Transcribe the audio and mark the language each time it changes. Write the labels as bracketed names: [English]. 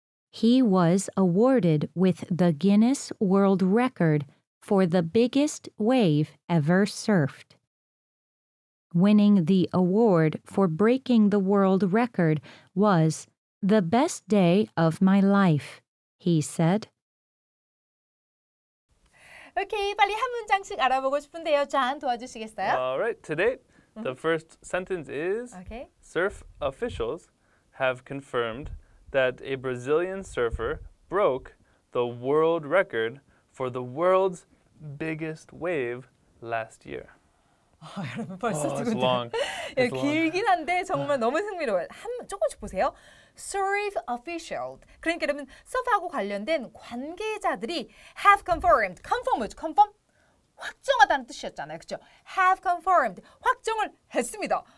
[English] He was awarded with the Guinness World Record for the biggest wave ever surfed. Winning the award for breaking the world record was the best day of my life, he said. [Korean] Okay, 빨리 한 문장씩 알아보고 싶은데요. 잔 도와주시겠어요? [English] All right, today The first sentence is, okay. Surf officials have confirmed that a Brazilian surfer broke the world record for the world's biggest wave last year. [Korean] 여러분 벌써 두 분 long. 예, 길긴 한데 정말 너무 흥미로워요. 한 조금씩 보세요. [English] Surf officials. [Korean] 그러니까 여러분 서프하고 관련된 관계자들이 [English] have confirmed. [Korean] Confirm 뭐죠? Confirm? 확정하다는 뜻이었잖아요. 그렇죠? [English] Have confirmed. [Korean] 확정을 했습니다.